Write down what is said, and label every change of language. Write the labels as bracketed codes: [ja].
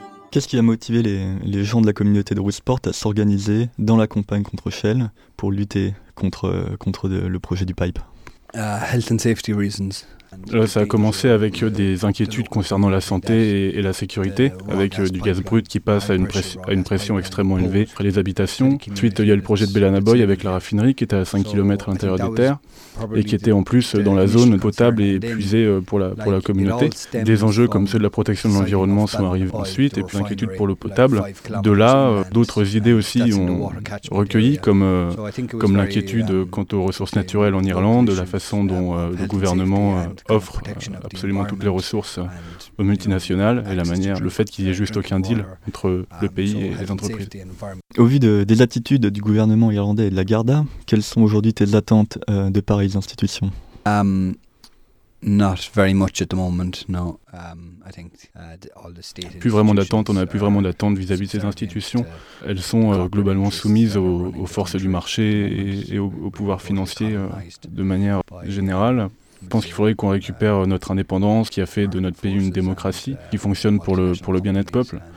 [fr] Qu'est-ce qui a motivé les gens de la communauté de Roosport à s'organiser dans la campagne contre Shell pour lutter contre le projet du pipe? [en] Health and safety reasons. [fr] Là, ça a commencé avec des inquiétudes concernant la santé et la sécurité, avec du gaz brut qui passe à une pression extrêmement élevée près des habitations. Ensuite, il y a le projet de Belanaboy avec la raffinerie qui était à 5 km à l'intérieur des terres et qui était en plus dans la zone potable et épuisée pour la communauté. Des enjeux comme ceux de la protection de l'environnement sont arrivés ensuite et puis l'inquiétude pour l'eau potable. De là, d'autres idées aussi ont recueilli comme l'inquiétude quant aux ressources naturelles en Irlande, la façon dont le gouvernement offre absolument toutes les ressources aux multinationales et la manière, le fait qu'il n'y ait juste aucun deal entre le pays et les entreprises. Au vu des attitudes du gouvernement irlandais et de la Garda, quelles sont aujourd'hui tes attentes de Paris institutions? [en] Not very much at the moment, no. I think all the state [fr] institutions. Plus vraiment d'attente, on n'a plus vraiment d'attente vis-à-vis de ces institutions. Elles sont globalement soumises aux forces du marché et au pouvoir financier de manière générale. Je pense qu'il faudrait qu'on récupère notre indépendance qui a fait de notre pays une démocratie qui fonctionne pour le bien-être peuple.